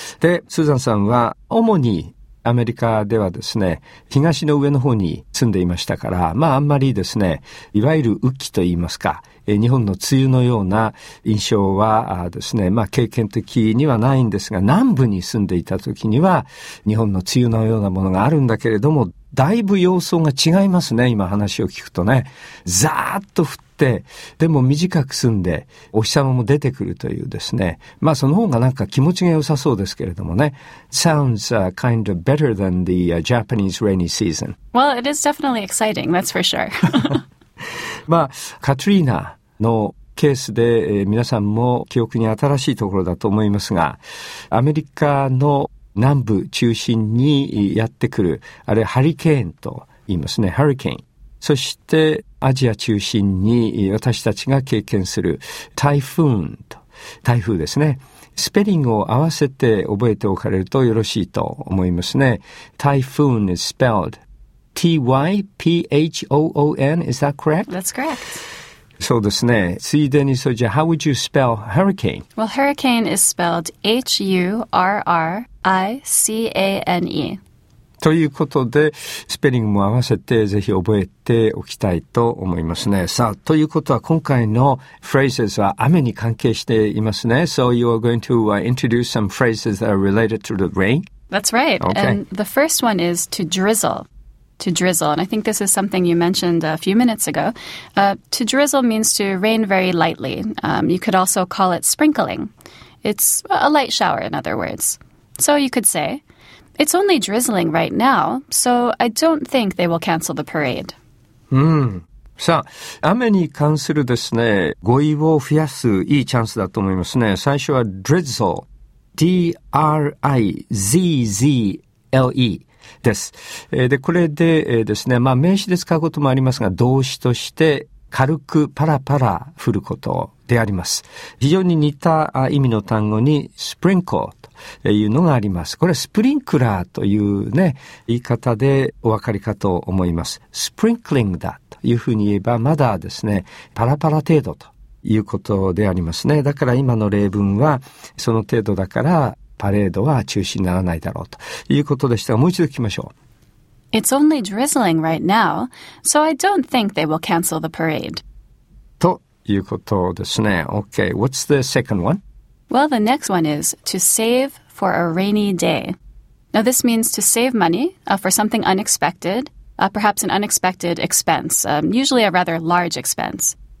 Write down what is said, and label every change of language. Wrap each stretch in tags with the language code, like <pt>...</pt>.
<ja>でスーザンさんは主にアメリカではですね、東の上の方に住んでいましたから、まああんまりですね、いわゆる雨季といいますか、日本の梅雨のような印象はですね、まあ経験的にはないんですが、南部に住んでいた時には日本の梅雨のようなものがあるんだけれども、だいぶ様相が違いますね。今話を聞くとね、ざーっと降って、でも短く済んでお日様も出てくるというですね、まあその方がなんか気持ちが良さそうですけれどもね。</ja> <en>Sounds kind of better than the Japanese rainy season. Well, it is definitely exciting, that's for sure.</en> <ja>まあカトリーナのケースで、皆さんも記憶に新しいところだと思いますが、アメリカの南部中心にやってくる、あれハリケーンと言いますね、ハリケーン。そしてアジア中心に私たちが経験する台風と、台風ですね。スペリングを合わせて覚えておかれるとよろしいと思いますね。</ja> <en>台風 is spelled T-Y-P-H-O-O-N. Is that correct? That's correct.</en> <ja>そうですね。ついでに、そうじゃ、</ja> <en>How would you spell hurricane? Well, hurricane is spelled H-U-R-R-I-C-A-N-E.</en> <ja>ということで、スペリングも合わせてぜひ覚えておきたいと思いますね。さあ、ということは今回のフレーズは雨に関係していますね。</ja> <en>So you are going to introduce some phrases that are related to the rain? That's right. Okay. And the first one is to drizzle. To drizzle, and I think this is something you mentioned a few minutes ago. To drizzle means to rain very lightly. You could also call it sprinkling. It's a light shower, in other words. So you could say, it's only drizzling right now, so I don't think they will cancel the parade.</en> <ja>さあ、雨に関するですね、語彙を増やすいいチャンスだと思いますね。最初は drizzle, D-R-I-Z-Z-L-E. です。で、これでですね、まあ名詞で使うこともありますが、動詞として軽くパラパラ降ることであります。非常に似た意味の単語に sprinkle というのがあります。これはスプリンクラーというね、言い方でお分かりかと思います。 sprinkling だというふうに言えば、まだですね、パラパラ程度ということでありますね。だから今の例文はその程度だから、パレードは中止にならないだろうということでしたが、もう一度聞きましょう。</ja> <en>It's only drizzling right now, so I don't think they will cancel the parade.</en> <ja>ということですね。</ja> <en>Okay, what's the second one? Well, the next one is to save for a rainy day. Now, this means to save money for something unexpected, perhaps an unexpected expense, usually a rather large expense.</en>